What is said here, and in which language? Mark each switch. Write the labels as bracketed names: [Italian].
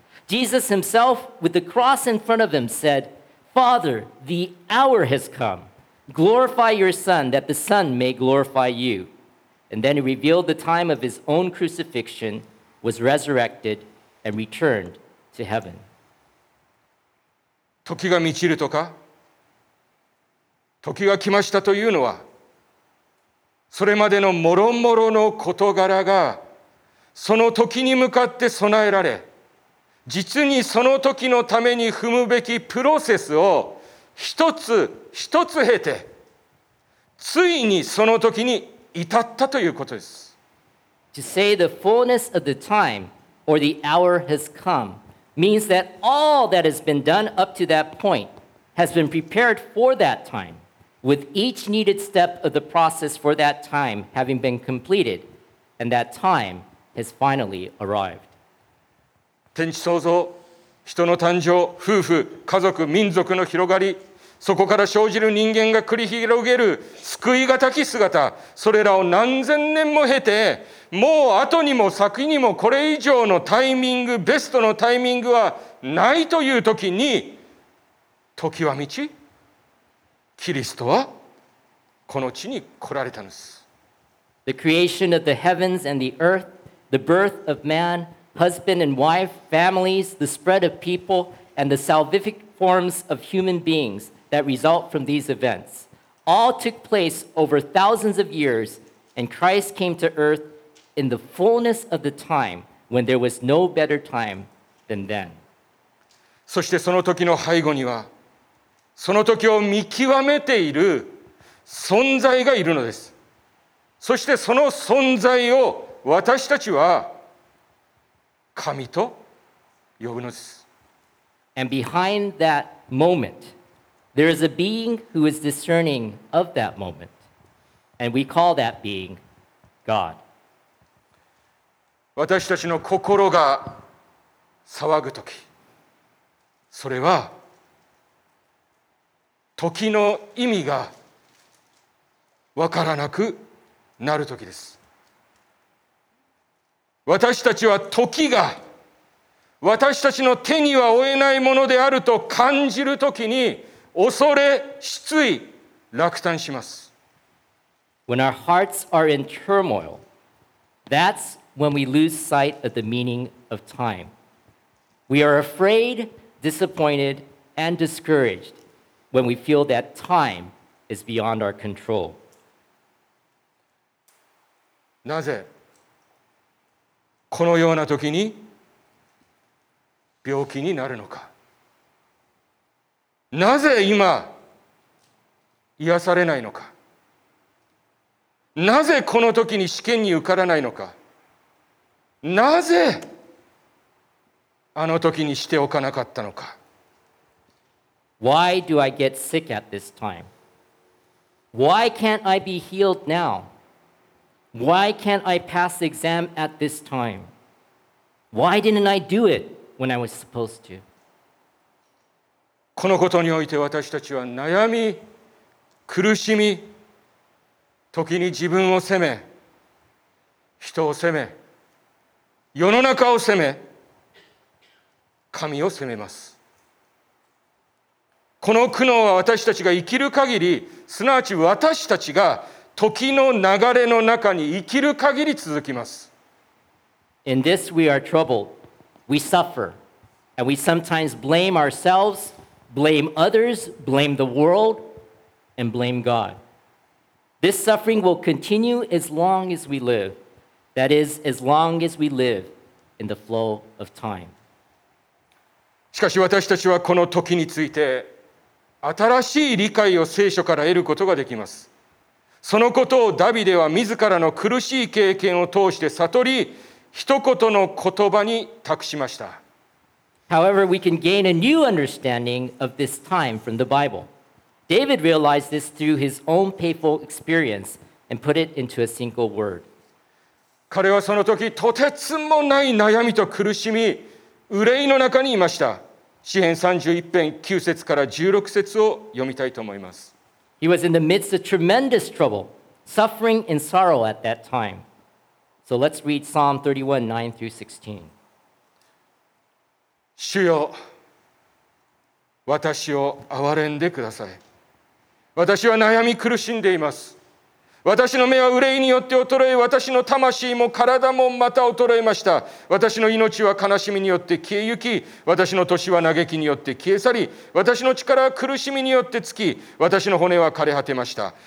[English] Jesus himself, with the cross in front of him, said, Father, the hour has come. Glorify your son, that the son may glorify you. And then he revealed the time of his own crucifixion, was resurrected, and returned to heaven. [Japanese] 時が満ちるとか、時が来ましたというのは、それまでのもろもろの事柄が、その時に向かって備えられ、実にその時のために踏むべきプロセスを一つ一つ経て、ついにその時に、至ったということです。 [English] To say the fullness of the time or the hour has come means that all that has been done up to that point has been prepared for that time, with each needed step of the process for that time having been completed, and that time has finally arrived. [Japanese] 天地創造、人の誕生、夫婦、家族、民族の広がり、そこから生じる人間が繰り広げる救いがたき姿、それらを何千年も経て、もう後にも先にもこれ以上のタイミング、ベストのタイミングはないという時に、時は満ち、キリストはこの地に来られたんです。 [English] The creation of the heavens and the earth, the birth of man, husband and wife, families, the spread of people, and the salvific forms of human beings that result from these events, all took place over thousands of years, and Christ came to earth in the fullness of the time when there was no better time than then. [Japanese] そしてその時の背後には、その時を見極めている存在がいるのです。そしてその存在を私たちは神と呼ぶのです。 [English] And behind that moment, there is a being who is discerning of that moment. And we call that being God. [Japanese] 私たちの心が騒ぐとき、それは時の意味がわからなくなるときです。私たちは時が私たちの手には負えないものであると感じるときに恐れ、失意、落胆します。 [English] When our hearts are in turmoil, that's when we lose sight of the meaning of time. We are afraid, disappointed, and discouraged when we feel that time is beyond our control. [Japanese] なぜこのような時に病気になるのか、なぜ今癒されないのか、なぜこの時に試験に受からないのか、なぜあの時にしておかなかったのか。 [English] Why do I get sick at this time? Why can't I be healed now? Why can't I pass the exam at this time? Why didn't I do it when I was supposed to? [Japanese] このことにおいて私たちは悩み、苦しみ、時に自分を責め、人を責め、世の中を責め、神を責めます。この苦悩は私たちが生きる限り、すなわち私たちが時の流れの中に生きる限り続きます。 [English] In this we are troubled, we suffer, and we sometimes blame ourselves, blame others, blame the world, and blame God. This suffering will continue as long as we live, that is, as long as we live in the flow of time. [Japanese] しかし私たちはこの時について新しい理解を聖書から得ることができます。そのことをダビデは自らの苦しい経験を通して悟り、一言の言葉に託しました。 [English] However, we can gain a new understanding of this time from the Bible. David realized this through his own painful experience and put it into a single word. [Japanese] 彼はその時、とてつもない悩みと苦しみ、憂いの中にいました。詩篇31篇9節から16節を読みたいと思います。 [English] He was in the midst of tremendous trouble, suffering and sorrow at that time. So let's read Psalm 31, 9 through 16. [Japanese] 主よ、私を憐れんでください。私は悩み苦しんでいます。私の目は憂いによって衰え、私の魂も体もまた衰えました。私の命は悲しみによって消えゆき、私の年は嘆きによって消え去り、私の力は苦しみによって尽き、私の骨は枯れ果てました。